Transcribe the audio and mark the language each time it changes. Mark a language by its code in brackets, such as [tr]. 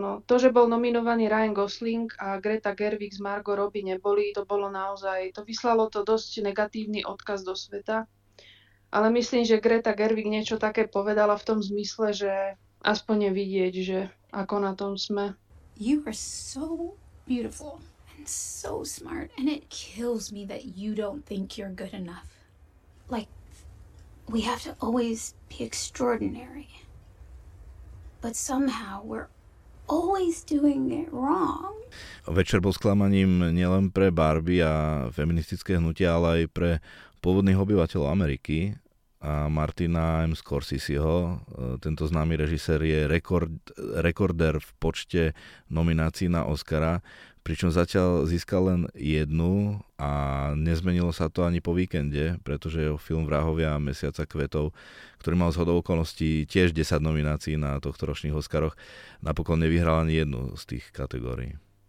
[sk] No, to, že bol nominovaný Ryan Gosling a Greta Gerwig s Margot Robbie neboli, to bolo naozaj, to vyslalo to dosť negatívny odkaz do sveta. Ale myslím, že Greta Gerwig niečo také povedala v tom zmysle, že aspoň je vidieť, že ako na tom sme. [en] You are so beautiful and so smart and it kills me that you don't think you're good enough. Like, we have to always be extraordinary. But somehow we're always doing it wrong. [sk] Večer bol sklamaním nielen pre Barbie a feministické hnutie, ale aj pre pôvodných obyvateľov Ameriky. A Martina M. Scorseseho, tento známy režisér, je rekordér v počte nominácií na Oscara, pričom zatiaľ získal len jednu a nezmenilo sa to ani po víkende, pretože jeho film Vrahovia mesiaca kvetov, ktorý mal zhodou okolností tiež 10 nominácií na tohto ročných Oscaroch, napokon nevyhral ani jednu z tých kategórií.